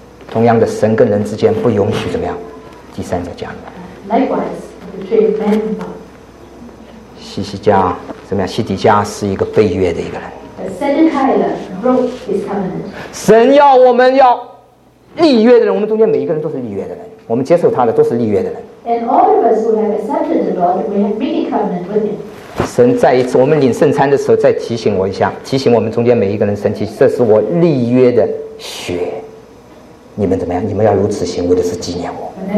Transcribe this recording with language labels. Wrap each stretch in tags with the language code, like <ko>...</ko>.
<zh>同样的，神跟人之间不允许怎么样，第三者加入。西底家怎么样？西底家是一个悖约的一个人。</zh> <en>second time broke his covenant.</en> <zh>神要我们要立约的人，我们中间每一个人都是立约的人，我们接受他的都是立约的人。</zh> <en>And all of us who have accepted the Lord, we have made a covenant with him.</en> <zh>神再一次，我们领圣餐的时候再提醒我一下，提醒我们中间每一个人，神提醒，这是我立约的血，你们怎么样？你们要如此行，为的是纪念我。</zh>